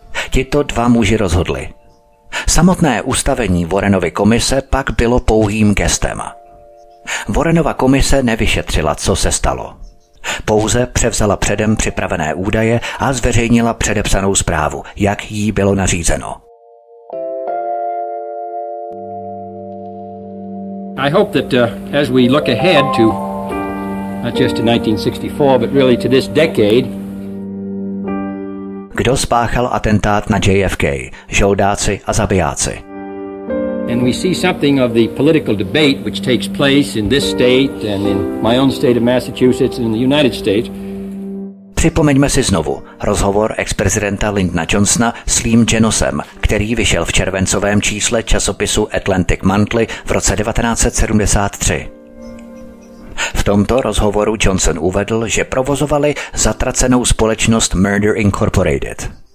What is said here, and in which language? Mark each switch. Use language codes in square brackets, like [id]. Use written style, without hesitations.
[cs] Tito dva muži rozhodli. Samotné ustavení Warrenovy komise pak bylo pouhým gestem. Warrenova komise nevyšetřila, co se stalo. Pouze převzala předem připravené údaje a zveřejnila předepsanou zprávu, jak jí bylo nařízeno. [en] I hope that as we look ahead to not just to 1964, but really to this decade. [cs] Kdo spáchal atentát na JFK? Žoldáci a zabijáci. [en] And we see something of the political debate which takes place in this state and in my own state of Massachusetts and in the United States. [cs] Připomeňme si znovu rozhovor ex-prezidenta Lyndona Johnsona s Leem Jenosem, který vyšel v červencovém čísle časopisu Atlantic Monthly v roce 1973. V tomto rozhovoru Johnson uvedl, že provozovali zatracenou společnost Murder Incorporated.